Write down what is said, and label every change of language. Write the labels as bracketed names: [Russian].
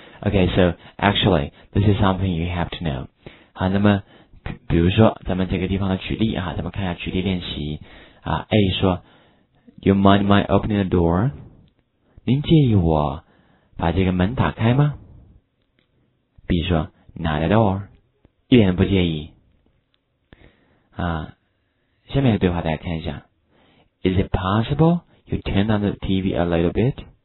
[English] OK, so actually this is something you have to know。 [Chinese] 好，那么比如说咱们这个地方的举例啊，咱们看一下举例练习啊。 [English] A 说 You mind my opening the door? [Chinese] 您介意我把这个门打开吗？ B 说 [English] Not at all， [Chinese] 一点不介意啊。下面的对话大家看一下。 [English] Is it possible you turn on the TV a little bit?